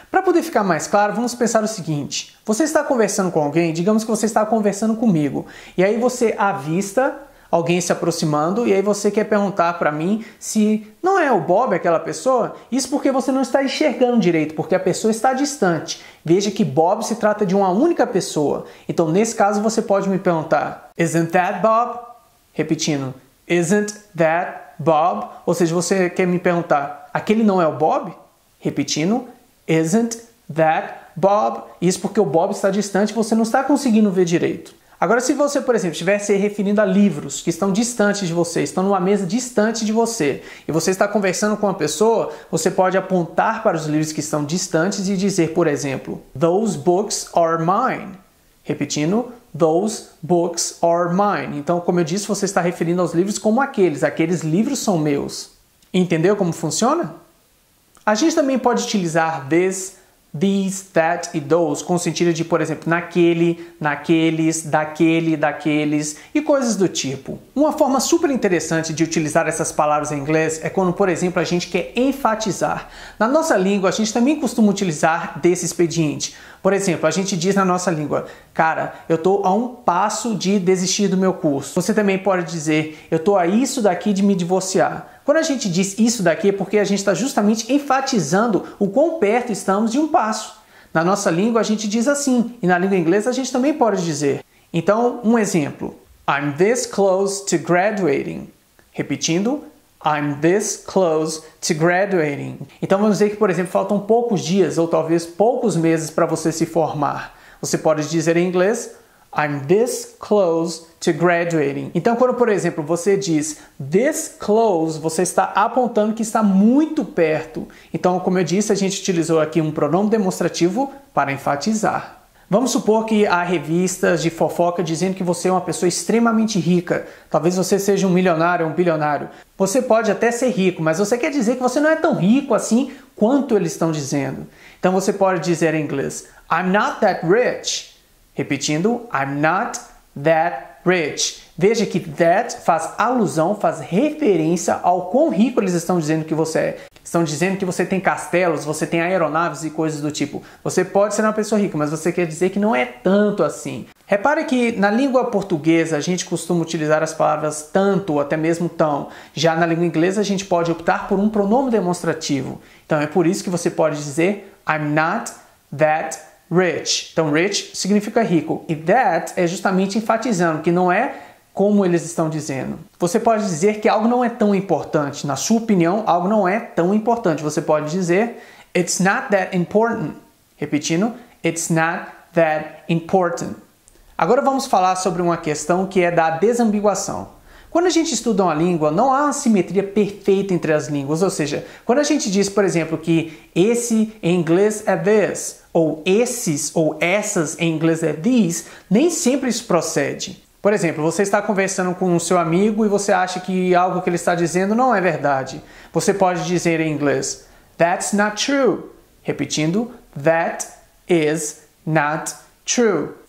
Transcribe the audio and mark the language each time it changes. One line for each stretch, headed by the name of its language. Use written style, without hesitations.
Portuguese: Para poder ficar mais claro, vamos pensar o seguinte. Você está conversando com alguém, digamos que você está conversando comigo, e aí você avista alguém se aproximando, e aí você quer perguntar para mim se não é o Bob aquela pessoa? Isso porque você não está enxergando direito, porque a pessoa está distante. Veja que Bob se trata de uma única pessoa. Então, nesse caso, você pode me perguntar
English: isn't that Bob?
Portuguese: Repetindo,
English: isn't that Bob? Ou seja, você quer me perguntar, aquele não é o Bob?
Portuguese: Repetindo,
English: isn't that Bob?
Portuguese: Isso porque o Bob está distante e você não está conseguindo ver direito. Agora, se você, por exemplo, estiver se referindo a livros que estão distantes de você, estão numa mesa distante de você, e você está conversando com uma pessoa, você pode apontar para os livros que estão distantes e dizer, por exemplo,
English: those books are mine.
Portuguese: Repetindo,
English: those books are mine.
Portuguese: Então, como eu disse, você está referindo aos livros como aqueles. Aqueles livros são meus. Entendeu como funciona? A gente também pode utilizar this, these, that e those com sentido de, por exemplo, naquele, naqueles, daquele, daqueles e coisas do tipo. Uma forma super interessante de utilizar essas palavras em inglês é quando, por exemplo, a gente quer enfatizar. Na nossa língua, a gente também costuma utilizar desse expediente. Por exemplo, a gente diz na nossa língua, cara, eu tô a um passo de desistir do meu curso. Você também pode dizer, eu tô a isso daqui de me divorciar. Quando a gente diz isso daqui é porque a gente está justamente enfatizando o quão perto estamos de um passo. Na nossa língua a gente diz assim, e na língua inglesa a gente também pode dizer. Então, um exemplo.
English: I'm this close to graduating.
Portuguese: Repetindo,
English: I'm this close to graduating.
Portuguese: Então vamos dizer que, por exemplo, faltam poucos dias ou talvez poucos meses para você se formar. Você pode dizer em inglês,
English: I'm this close to graduating.
Portuguese: Então, quando, por exemplo, você diz this close, você está apontando que está muito perto. Então, como eu disse, a gente utilizou aqui um pronome demonstrativo para enfatizar. Vamos supor que há revistas de fofoca dizendo que você é uma pessoa extremamente rica. Talvez você seja um milionário ou um bilionário. Você pode até ser rico, mas você quer dizer que você não é tão rico assim quanto eles estão dizendo. Então você pode dizer em inglês,
English: I'm not that rich.
Portuguese: Repetindo,
English: I'm not that rich.
Portuguese: Veja que that faz alusão, faz referência ao quão rico eles estão dizendo que você é. Estão dizendo que você tem castelos, você tem aeronaves e coisas do tipo. Você pode ser uma pessoa rica, mas você quer dizer que não é tanto assim. Repare que na língua portuguesa a gente costuma utilizar as palavras tanto ou até mesmo tão. Já na língua inglesa a gente pode optar por um pronome demonstrativo. Então é por isso que você pode dizer
English: I'm not that rich.
Portuguese: Então rich significa rico. E that é justamente enfatizando que não é como eles estão dizendo. Você pode dizer que algo não é tão importante. Na sua opinião, algo não é tão importante. Você pode dizer,
English: it's not that important.
Portuguese: Repetindo,
English: it's not that important.
Portuguese: Agora vamos falar sobre uma questão que é da desambiguação. Quando a gente estuda uma língua, não há uma simetria perfeita entre as línguas. Ou seja, quando a gente diz, por exemplo, que esse em inglês é this, ou esses ou essas em inglês é these, nem sempre isso procede. Por exemplo, você está conversando com o seu amigo e você acha que algo que ele está dizendo não é verdade. Você pode dizer em inglês,
English: that's not true.
Portuguese: Repetindo,
English: that is not true.